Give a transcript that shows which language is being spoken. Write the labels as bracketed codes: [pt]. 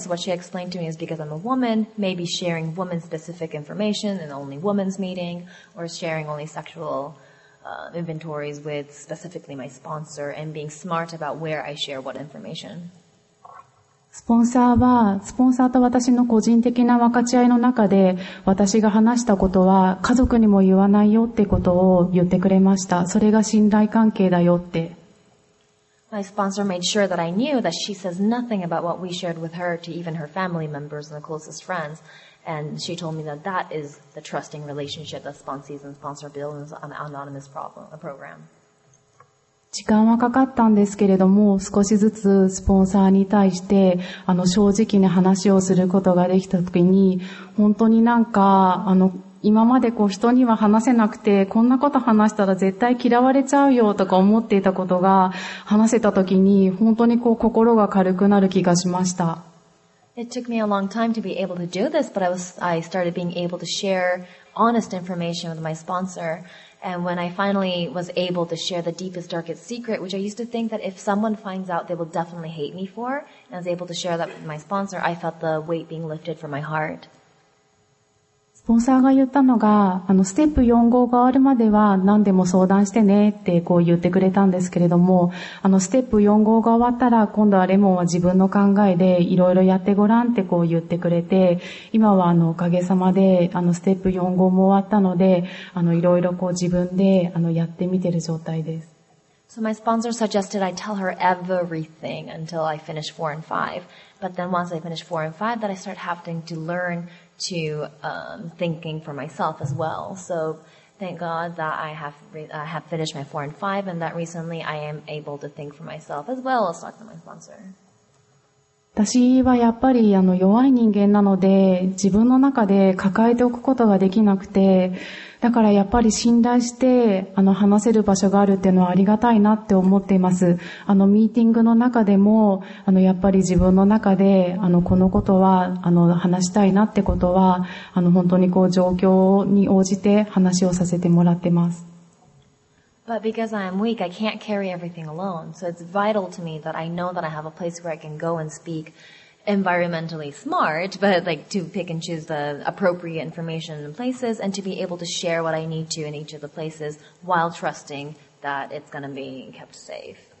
[en] So what she explained to me is because I'm a woman, maybe sharing woman-specific information in only women's meeting, or sharing only sexual, inventories with specifically my sponsor, and being smart about where I share what information. [ja] スポンサーは、スポンサーと私の個人的な分かち合いの中で、私が話したことは家族にも言わないよってことを言ってくれました。それが信頼関係だよって。 [en] My sponsor made sure that I knew that she says nothing about what we shared with her to even her family members and the closest friends. And she told me that that is the trusting relationship that sponsors and sponsor builds on an anonymous program. [ja] 時間はかかったんですけれども、少しずつスポンサーに対して、正直に話をすることができたときに、本当になんか、今までこう人には話せなくて、こんなこと話したら絶対嫌われちゃうよとか思っていたことが、話せたときに、本当にこう心が軽くなる気がしました。 [en] It took me a long time to be able to do this, but I started being able to share honest information with my sponsor. And when I finally was able to share the deepest, darkest secret, which I used to think that if someone finds out, they will definitely hate me for, and I was able to share that with my sponsor, I felt the weight being lifted from my heart. [ja] スポンサーが言ったのが、ステップ4号が終わるまでは何でも相談してねってこう言ってくれたんですけれども、ステップ4号が終わったら、今度はレモンは自分の考えでいろいろやってごらんってこう言ってくれて、今はおかげさまで、ステップ4号も終わったので、いろいろこう自分で、やってみてる状態です。 [en] So my sponsor suggested I tell her everything until I finish 4 and 5. But then once I finish 4 and 5, that I start having to learn to, thinking for myself as well. So thank God that I have finished my 4 and 5 and that recently I am able to think for myself as well as talk to my sponsor. [ja] 私はやっぱり弱い人間なので自分の中で抱えておくことができなくて、だからやっぱり信頼して話せる場所があるっていうのはありがたいなって思っています。ミーティングの中でもやっぱり自分の中でこのことは話したいなってことは本当にこう状況に応じて話をさせてもらってます。 [en] But because I am weak, I can't carry everything alone. So it's vital to me that I know that I have a place where I can go and speak environmentally smart, but like to pick and choose the appropriate information and places and to be able to share what I need to in each of the places while trusting that it's going to be kept safe.